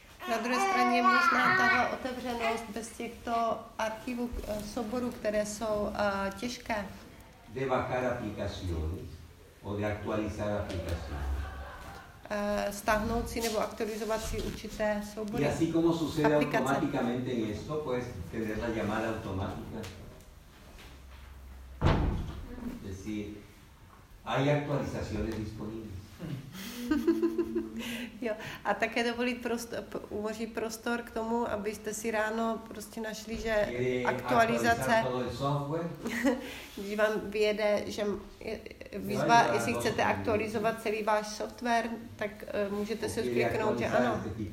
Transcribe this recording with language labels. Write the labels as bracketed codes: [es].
[cs] Na druhé straně možná tahle otevřenost bez těchto archivů souborů, které jsou těžké. [es] De bajar aplicaciones o de actualizar aplicaciones. [cs] Stáhnout si nebo aktualizovat si určité soubory. [es] Y así como sucede automáticamente en esto, puedes tener la llamada automática. Es decir, hay actualizaciones disponibles. [cs] Jo. A také dovolit umožnit prostor k tomu, abyste si ráno prostě našli, že aktualizace, když vám vyjede, že výzva, no, jestli chcete aktualizovat celý váš software, tak můžete se kliknout, že ano.